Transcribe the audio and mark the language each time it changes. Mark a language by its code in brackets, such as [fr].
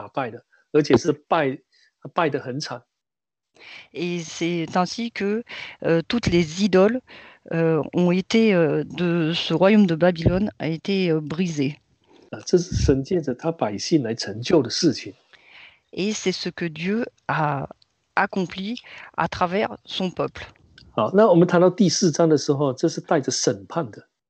[zh] 就好像把这个所谓的巴比伦的这个王帝啊，他们所拜的神啊，都击败的，就打败的，把他们打败的，而且是败得很惨。 [fr] Et c'est ainsi que toutes les idoles ont été de ce royaume de Babylone a été brisées. [zh] 这是神借着他百姓来成就的事情。 [fr] Et c'est ce que Dieu a accompli à travers son peuple. [zh] 好，那我们谈到第四章的时候，这是带着审判的。